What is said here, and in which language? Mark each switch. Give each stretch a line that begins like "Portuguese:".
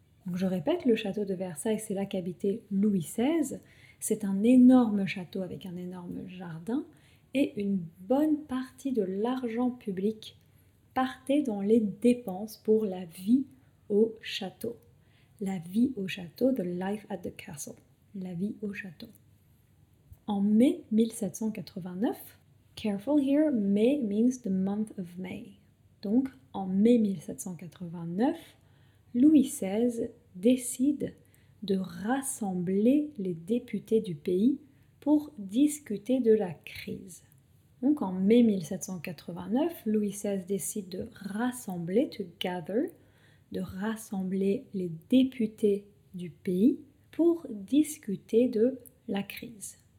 French: Donc je répète, le château de Versailles, c'est là qu'habitait Louis XVI. C'est un énorme château avec un énorme jardin, et une bonne partie de l'argent public partait dans les dépenses pour la vie au château. La vie au château,
English: the life at the castle.
French: La vie au château. En mai 1789,
English: careful here, May means the month of May.
French: Donc, en mai 1789, Louis XVI décide de rassembler les députés du pays pour discuter de la crise. Donc, en mai 1789, Louis XVI décide de rassembler,
English: to gather,
French: de rassembler les députés du pays pour discuter de la crise.